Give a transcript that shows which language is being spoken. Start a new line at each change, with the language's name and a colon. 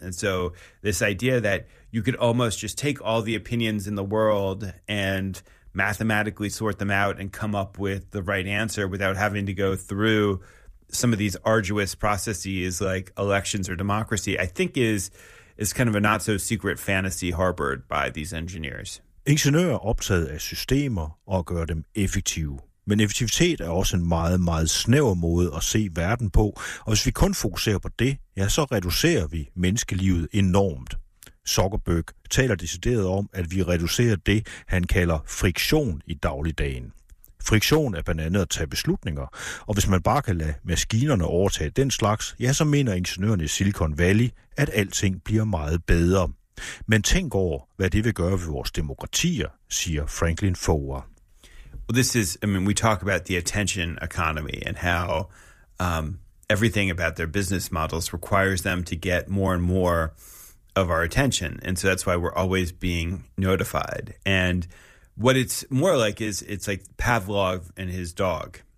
English: And so this idea that you could almost just take all the opinions in the world and mathematically sort them out and come up with the right answer without having to go through some of these arduous processes like elections or democracy, I think is kind of a not-so-secret fantasy harbored by these engineers.
Danish: Ingeniører er optaget af systemer og gør dem effektive. Men effektivitet er også en meget, meget snæver måde at se verden på, og hvis vi kun fokuserer på det, ja, så reducerer vi menneskelivet enormt. Zuckerberg taler decideret om, at vi reducerer det, han kalder friktion i dagligdagen. Friktion er blandt andet at tage beslutninger, og hvis man bare kan lade maskinerne overtage den slags, ja, så mener ingeniørerne i Silicon Valley, at alting bliver meget bedre. Men tænk over, hvad det vil gøre ved vores demokratier, siger Franklin Foer.
English: Well, this is, I mean, we talk about the attention economy and how everything about their business models requires them to get more and more of our attention. And so that's why we're always being notified. And what it's more like is it's like Pavlov and his dog.